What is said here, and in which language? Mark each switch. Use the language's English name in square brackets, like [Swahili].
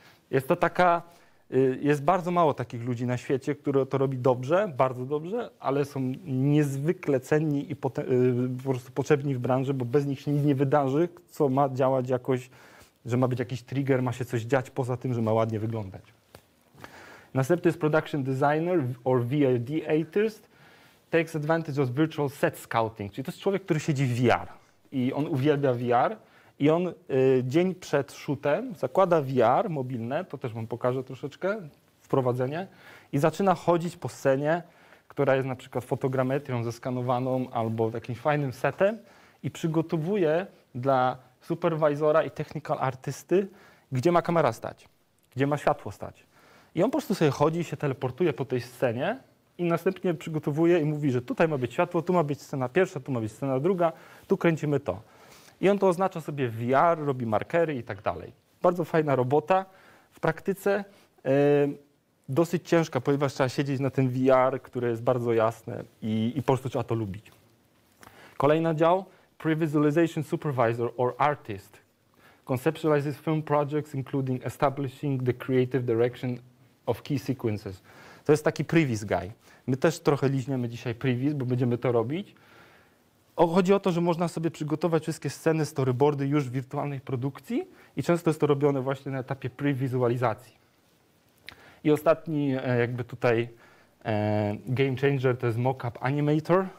[Polish] Jest to taka, jest bardzo mało takich ludzi na świecie, które to robi dobrze, bardzo dobrze, ale są niezwykle cenni i po prostu potrzebni w branży, bo bez nich się nic nie wydarzy, co ma działać jakoś, że ma być jakiś trigger, ma się coś dziać poza tym, że ma ładnie wyglądać. Następny jest [English] production designer or VFX artist. takes advantage of virtual set scouting. [Polish] Czyli to jest człowiek, który siedzi w VR i on uwielbia VR. I on dzień przed shootem zakłada VR mobilne, to też wam pokażę troszeczkę, wprowadzenie, i zaczyna chodzić po scenie, która jest na przykład fotogrametrią zeskanowaną albo jakimś fajnym setem, i przygotowuje dla supervisora i technical artysty, gdzie ma kamera stać, gdzie ma światło stać. I on po prostu sobie chodzi i się teleportuje po tej scenie i następnie przygotowuje i mówi, że tutaj ma być światło, tu ma być scena pierwsza, tu ma być scena druga, tu kręcimy to. I on to oznacza sobie w VR, robi markery i tak dalej. Bardzo fajna robota. W praktyce dosyć ciężka, ponieważ trzeba siedzieć na tym VR, które jest bardzo jasne i po prostu trzeba to lubić. Kolejny dział, [English] pre-visualization supervisor or artist. Conceptualizes film projects, including establishing the creative direction of key sequences. [Polish] To jest taki previs guy. My też trochę liźniemy dzisiaj previs, bo będziemy to robić. Chodzi o to, że można sobie przygotować wszystkie sceny, storyboardy już w wirtualnej produkcji i często jest to robione właśnie na etapie pre-wizualizacji. I ostatni jakby tutaj game changer to jest mock-up animator.